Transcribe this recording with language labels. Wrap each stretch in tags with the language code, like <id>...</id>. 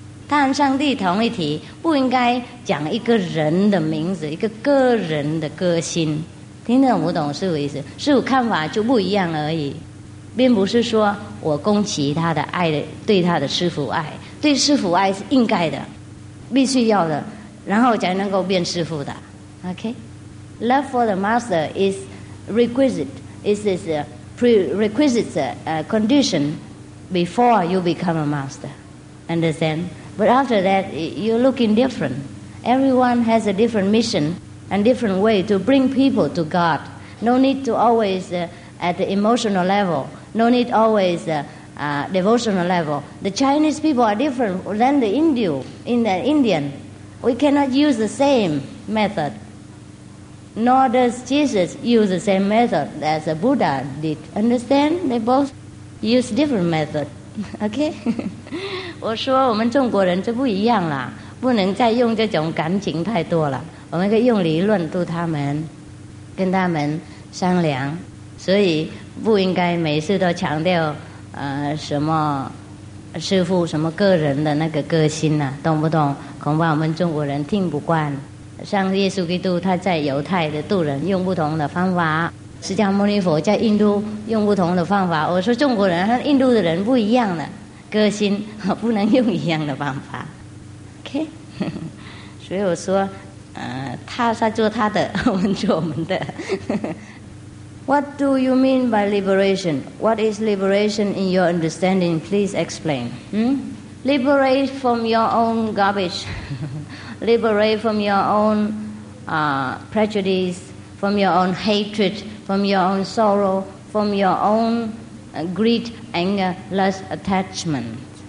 <zh>他和上帝同一体，不应该讲一个人的名字，一个个人的个性，听得懂不懂师父意思？师父看法就不一样而已，并不是说我攻击他的爱，对他的师父爱，对师父爱是应该的，必须要的，然后才能够变师父的。</zh> <en>OK。 Love for the master is requisite. It is a prerequisite condition before you become a master. Understand? But after that, you're looking different. Everyone has a different mission and different way to bring people to God. No need to always at the emotional level. No need always devotional level. The Chinese people are different than the Indian. We cannot use the same method. Nor does Jesus use the same method as the Buddha did. Understand? They both use different method. Okay?</en> <zh>我说我们中国人就不一样了，不能再用这种感情太多了，我们可以用理论度他们，跟他们商量，所以不应该每次都强调什么师父什么个人的那个个性啊，懂不懂？恐怕我们中国人听不惯。像耶稣基督他在犹太的渡人用不同的方法，释迦牟尼佛在印度用不同的方法，我说中国人和印度的人不一样的个性，不能用一样的方法。 OK 所以我说他在做他的，我们做我们的。</zh> <en>What do you mean by liberation? What is liberation in your understanding? Please explain. Liberate from your own garbage. liberate from your own prejudice, from your own hatred, from your own sorrow, from your own greed, anger, lust, attachment.</en>